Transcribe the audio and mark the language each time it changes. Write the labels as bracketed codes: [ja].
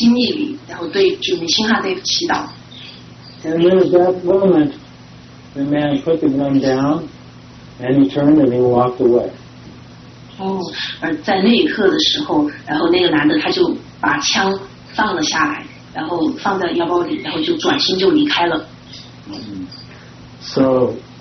[zh] 然后当时那一刻的话，我根本就什么话都说不出来。然后因为我想，如果我是开口说话向那个人求情或怎么样的话，很有可能他就直接会开枪了。然后我就只是在心意里，然后对准星哈德祈祷。 [en] And then at that moment, the man put the gun down. And he turned and he walked away. [zh] 而在那一刻的时候，然后那个男的他就把枪放了下来，然后放在腰包里，然后就转身就离开了。 [en] So,